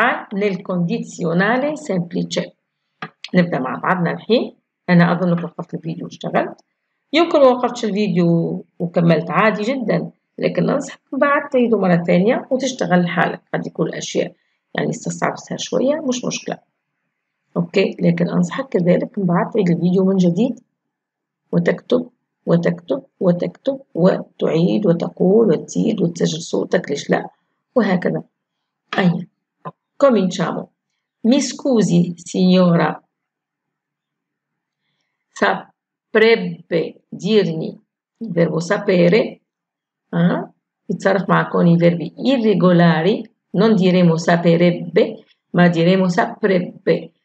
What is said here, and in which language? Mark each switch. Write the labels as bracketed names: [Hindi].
[Italian] Nel condizionale semplice. [Arabic] Nibda ma ba'dna l'hin, انا اظن وقفت الفيديو واشتغلت. يمكن وقفتش الفيديو وكملت عادي جدا، لكن ننصح بعد تعيده مرة ثانية وتشتغل لحالك. قد يكون الاشياء يعني استصعبتها شوية، مش مشكلة. اوكي، لكن انصحك كذلك من بعد تعيد الفيديو من جديد وتكتب وتكتب وتكتب وتعيد وتقول وتزيد وتسجل صوتك، ليش لا؟ وهكذا. [Italian] أيه. Cominciamo. Mi scusi, signora, saprebbe dirmi, il verbo sapere, itzaraf ma con i verbi irregolari, non diremo saperebbe, ma diremo saprebbe.